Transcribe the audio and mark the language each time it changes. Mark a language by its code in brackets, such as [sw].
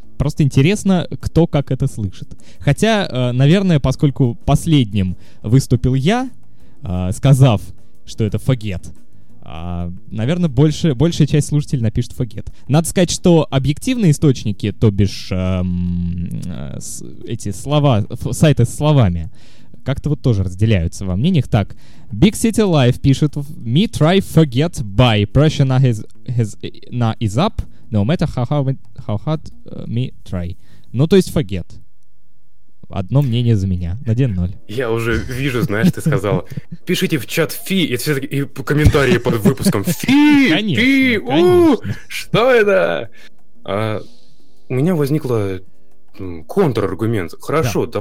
[ru] Просто интересно, кто как это слышит. Хотя, наверное, поскольку последним выступил я, сказав, что это forget, наверное, большая часть слушателей напишет forget. Надо сказать, что объективные источники, то бишь эти слова, сайты с словами, как-то вот тоже разделяются во мнениях. Так, [en] Big City Life [ru] пишет: [en] Me try forget by pressure na is up, no matter how hard me try. [ru] Ну, то есть forget. Одно мнение за меня. На 1-0. Я уже вижу, знаешь, ты сказал. Пишите в чат фи, и все-таки комментарии под выпуском. Фи! Конечно, фи! Конечно. Что это? У меня возникло контраргумент. Хорошо, да.